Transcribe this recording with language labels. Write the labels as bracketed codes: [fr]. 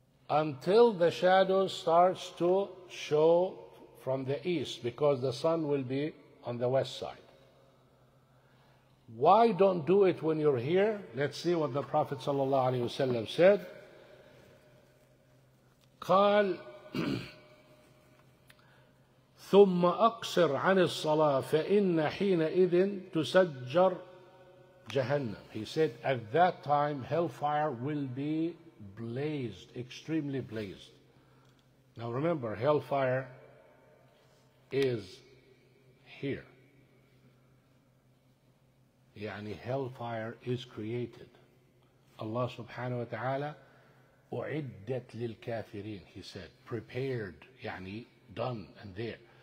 [en] Until the shadow starts to show from the east, because the sun will be on the west side. Why don't do it when you're here? Let's see what the Prophet sallallahu alaihi wasallam said. [ar] قال ثم أقصر عن الصلاة فإن حينئذ تسجر جهنم. [en] He said at that time hellfire will be blazed, extremely blazed. Now remember, hellfire is here. يعني hellfire is created. Allah subhanahu wa ta'ala [ar] أعدت للكافرين, [en] he said, prepared, يعني done and there.